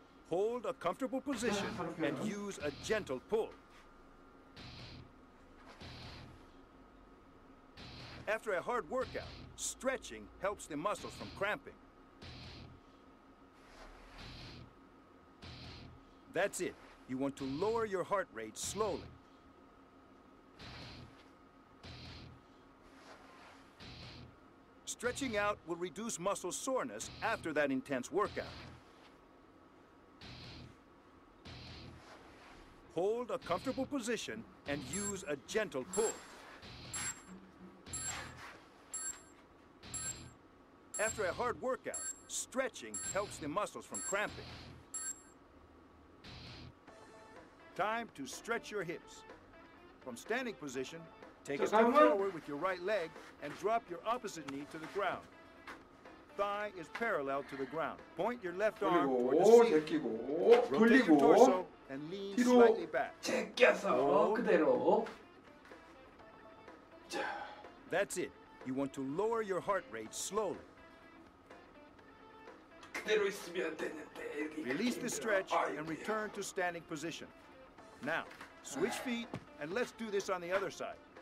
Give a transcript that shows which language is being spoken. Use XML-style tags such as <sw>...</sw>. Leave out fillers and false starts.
<en>홀드 어 컴포터블 포지션 앤 유즈 어 젠틀 풀. After a hard workout, stretching helps the muscles from cramping. That's it. You want to lower your heart rate slowly. Stretching out will reduce muscle soreness after that intense workout. Hold a comfortable position and use a gentle pull. After a hard workout, stretching helps the muscles from cramping. Time to stretch your hips. From standing position, take a step forward with your right leg and drop your opposite knee to the ground. Thigh is parallel to the ground. Point your left arm toward the ceiling.</en> <ko>돌리고, 돌리고, 뒤로 제껴서 그대로.</ko> <en>자. That's it. You want to lower your heart rate slowly.</en> <ko>그대로 있으면 되는데.</ko> <en>Release the stretch and return to standing position. Now, switch feet, and let's do this on the other side.</en>